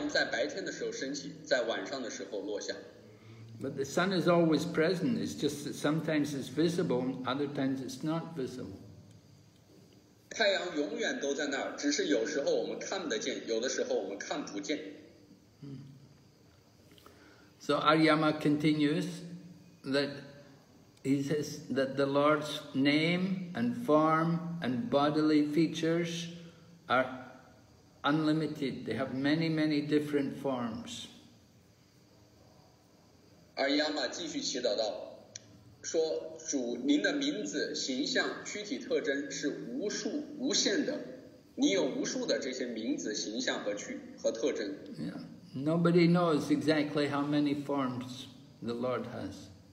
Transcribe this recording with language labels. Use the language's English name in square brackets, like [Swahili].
[Chinese] 就像太阳一样，太阳在白天的时候升起，在晚上的时候落下。 [English] But the sun is always present. It's just that sometimes it's visible, other times it's not visible. [Chinese] 太阳永远都在那儿，只是有时候我们看得见，有的时候我们看不见。 [English] So Aryama continues that he says that the Lord's name and form and bodily features are unlimited, they have many, many different forms. [Chinese] Aryama 继续祈祷道，说主您的名字、形象、躯体特征是无数无限的，你有无数的这些名字、形象和特征。 [English] Yeah. Nobody knows exactly how many forms the Lord has.